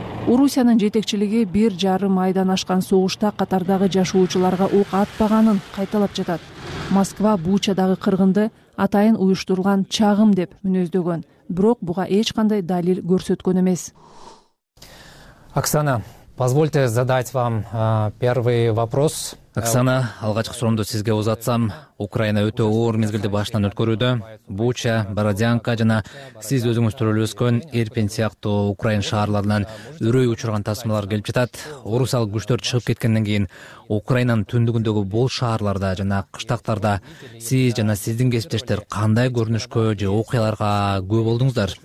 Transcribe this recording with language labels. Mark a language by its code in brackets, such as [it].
[ky] Орусиянын жетекчилиги 1,5 айдан ашкан согушта Катардагы жашоочуларга ок атпаганын кайталап жатат. Москва Бучадагы кыргынды атайын уюштурулган чагым деп мүнөздөгөн, бирок буга эч кандай далил көрсөткөн эмес. [ru] Оксана, позвольте задать вам первый вопрос. [ky] Оксана, алгачкы суроомду сизге узатсам, Украина өтө оор мезгилди башынан өткөрүүдө. Буча, Бородянка жана сиз өзүңүз төрөлүп өскөн Ирпен сыяктуу Украина шаарларынан үрөй учурган тасмалар келип жатат. Орусиялык күчтөр чыгып кеткенден кийин Украинанын түндүгүндөгү бул шаарларда жана кыштактарда сиз жана сиздин кесиптештер кандай көрүнүшкө же окуяларга күбө болдуңуздар?